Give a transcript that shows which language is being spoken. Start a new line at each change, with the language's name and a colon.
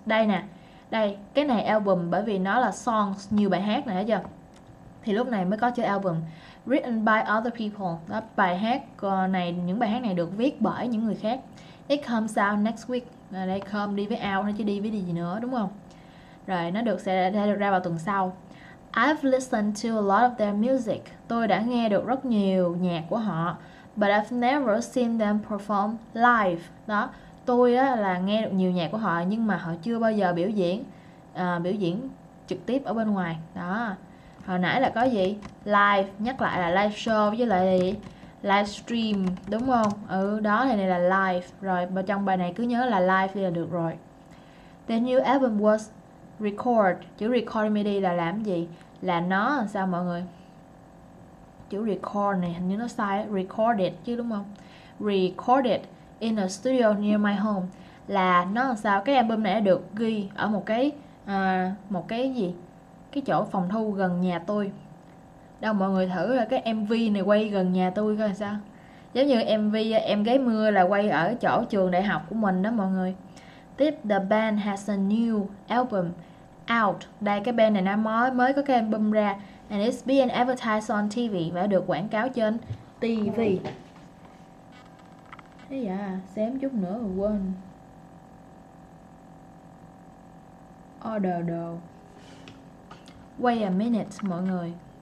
Vietnamese: Đây nè, đây, cái này album bởi vì nó là songs, nhiều bài hát nè, thấy chưa? Thì lúc này mới có chữ album.
English: Written by other people.
Vietnamese: Đó, bài hát này, những bài hát này được viết bởi những người khác.
English: It comes out next week.
Vietnamese: Đây, come đi với out thôi chứ đi với gì nữa, đúng không? Rồi, nó được sẽ ra vào tuần sau.
English: I've listened to a lot of their music.
Vietnamese: Tôi đã nghe được rất nhiều nhạc của họ.
English: But I've never seen them perform live.
Vietnamese: Đó, tôi á, là nghe được nhiều nhạc của họ nhưng mà họ chưa bao giờ biểu diễn trực tiếp ở bên ngoài. Đó, hồi nãy là có gì? Live, nhắc lại là live show với lại live stream, đúng không? Ừ, đó này là live. Rồi, trong bài này cứ nhớ là live đi là được rồi.
English: The new album was record.
Vietnamese: Chữ record MIDI là làm gì? Là nó làm sao mọi người? Chữ record này hình như nó sai.
English: Recorded
Vietnamese: chứ đúng không?
English: Recorded in a studio near my home.
Vietnamese: Là nó làm sao? Cái album này được ghi ở một cái gì? Cái chỗ phòng thu gần nhà tôi. Đâu mọi người thử là cái MV này quay gần nhà tôi coi sao. Giống như MV Em Gái Mưa là quay ở chỗ trường đại học của mình đó mọi người.
English: Tiếp, the band has a new album out.
Vietnamese: Đây, cái band này nó mới có cái album ra.
English: And it's being advertised on TV.
Vietnamese: Và được quảng cáo trên TV. Thế dạ, xém chút nữa rồi quên. Order đồ.
English: Wait a minute
Vietnamese: mọi người.